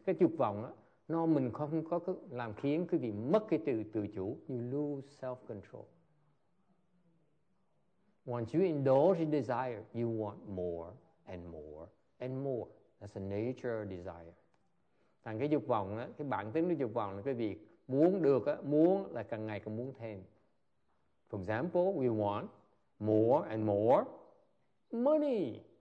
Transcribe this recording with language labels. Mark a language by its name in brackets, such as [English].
[Vietnamese] Cái dục vọng đó, nó mình không có làm khiến quý vị mất cái tự chủ. [English] You lose self-control. Once you indulge in desire, you want more and more and more. That's the nature of desire. [Vietnamese] Thành cái dục vọng á, cái bản tính của dục vọng là cái việc muốn được á, muốn là càng ngày càng muốn thêm. [English] For example, we want more and more money.